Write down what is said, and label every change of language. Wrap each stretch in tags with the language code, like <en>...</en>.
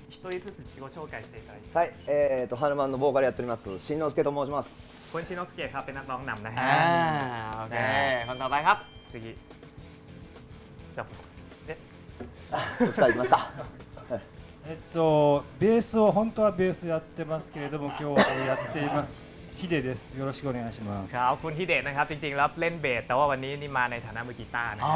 <ja>一人ずつ自己紹介していただきますはいハヌマンのボーカルやっておりますしんのすけと申します</ja> <th>คุณชินโนสเกะครับเป็นนักร้องนำนะฮะ โอเคคนต่อไปครับ</th> <ja>次じゃそっちから行きますか。ベースを本当はベースやってますけれども今日やっています。ヒデです。よろしくお願いします。</ja> <th>ครับ、คุณヒデนะครับ。จริงๆแล้วเล่นเบสแต่ว่าวันนี้นี่มาในฐานะมือกีตาร์นะคร</th>